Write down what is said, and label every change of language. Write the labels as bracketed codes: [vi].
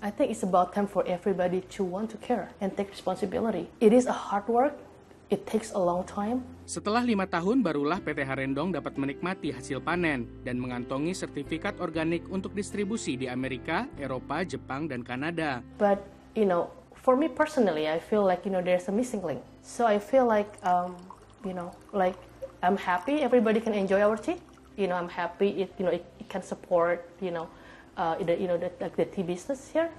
[en] I think it's about time for everybody to want to care and take responsibility. It is a hard work, it takes a long time. [id] Setelah 5 tahun barulah PT Harendong dapat menikmati hasil panen dan mengantongi sertifikat organik untuk distribusi di Amerika, Eropa, Jepang, dan Kanada. [en] But you know, for me personally, I feel like, you know, there's a missing link. So I feel like, you know, like I'm happy everybody can enjoy our tea. You know, I'm happy it, you know, it can support, you know, the tea business here.